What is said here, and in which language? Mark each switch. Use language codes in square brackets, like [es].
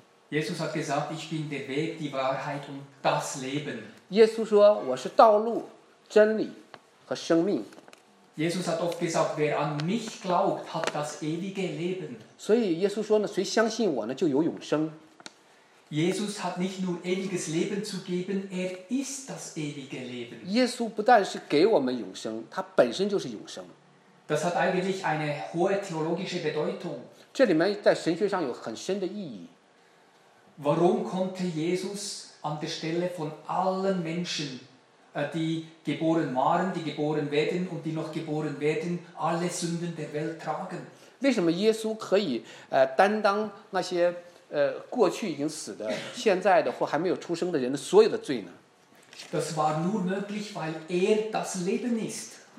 [zh] 耶稣说，我是道路、真理和生命。 [de] Jesus hat oft gesagt, wer an mich glaubt, hat das ewige Leben. [zh] 所以耶稣说呢，谁相信我呢，就有永生。 [de] Jesus hat nicht nur ewiges Leben zu geben, er ist das ewige Leben. [zh] 耶稣不但是给我们永生，他本身就是永生。 [de] Das hat eigentlich eine hohe theologische Bedeutung. [zh] 这里面在神学上有很深的意义。 [de] Warum konnte Jesus an der Stelle von allen Menschen? Die geboren waren, die geboren werden und die noch geboren werden, alle Sünden der Welt tragen. [zh] 为什么耶稣可以担当那些过去已经死的、现在的或还没有出生的人的所有的罪呢？ [de] Das war nur möglich, weil er das Leben ist.